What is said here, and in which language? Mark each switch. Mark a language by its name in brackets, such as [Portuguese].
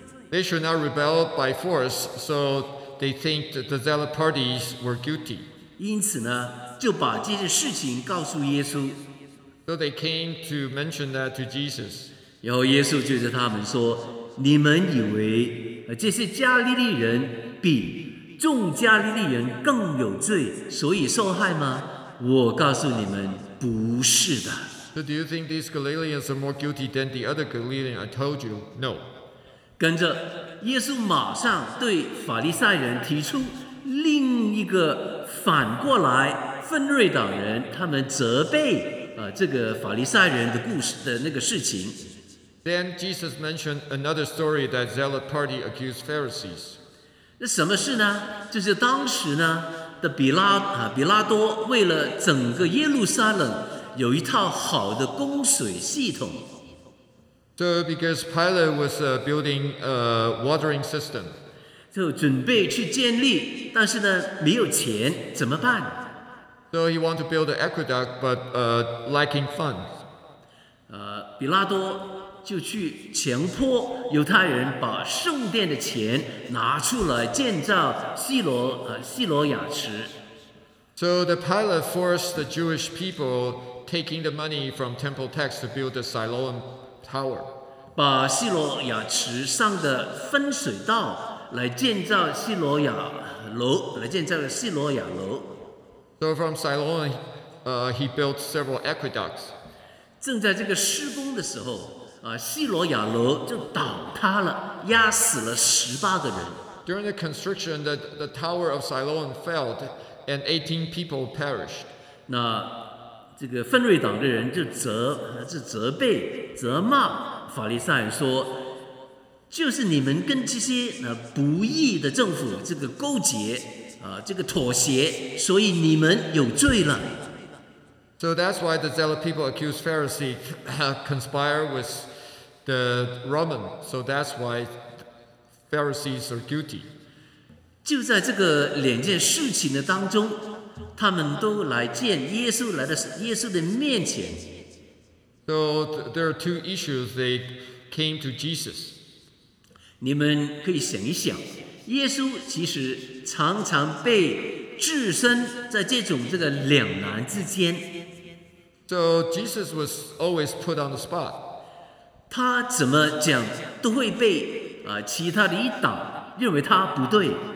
[English] They should not rebel by force, so they think that the zealot parties were guilty. [Chinese] 因此呢，就把这件事情告诉耶稣。 [English] So they came to mention that to Jesus. [Chinese] 然后耶稣就对他们说：“你们以为这些加利利人比众加利利人更有罪，所以受害吗？” 我告诉你们，不是的。 [English] So do you think these Galileans are more guilty than the other Galileans? I told you, no. [Chinese] 跟着耶稣马上对法利赛人提出另一个反过来分锐党人他们责备这个法利赛人的故事的那个事情。 [English] Then Jesus mentioned another story that zealot party accused Pharisees. [Chinese] 那什么事呢？就是当时呢。的比拉多为了整个耶路撒冷有一套好的供水系统。 [English] So because Pilate was building a watering system. [Chinese] 就准备去建立，但是呢没有钱，怎么办 [English] ？So he wanted to build an aqueduct, but lacking funds. [Chinese] 比拉多就去强迫犹太人把圣殿的钱拿出来建造希罗雅池。 [English] So the Pilate forced the Jewish people taking the money from temple tax to build the Siloam tower. [Chinese] 把希罗亚池上的分水道来建造希罗亚楼，来建造希罗亚楼。 [English] So from Siloam, he built several aqueducts. [Chinese] 正在这个施工的时候，希罗亚楼就倒塌了，压死了18个人。 [English] During the construction, the tower of Siloam fell, and 18 people perished. [Chinese] 那这个分锐党的人就责备、责骂法利赛人说，就是你们跟这些不义的政府这个勾结，这个妥协，所以你们有罪了。 [English] So that's why the zealot people accused Pharisee conspire with the Roman. So that's why Pharisees are guilty. [Chinese] 就在这个两件事情的当中，他们都来见耶稣，来到耶稣的面前。 [English] So there are two issues. They came to Jesus. [Chinese] 你们可以想一想，耶稣其实常常被置身在这种这个两难之间。 [English] So Jesus was always put on the spot. [Chinese] 他怎么讲都会被其他的一党认为他不对。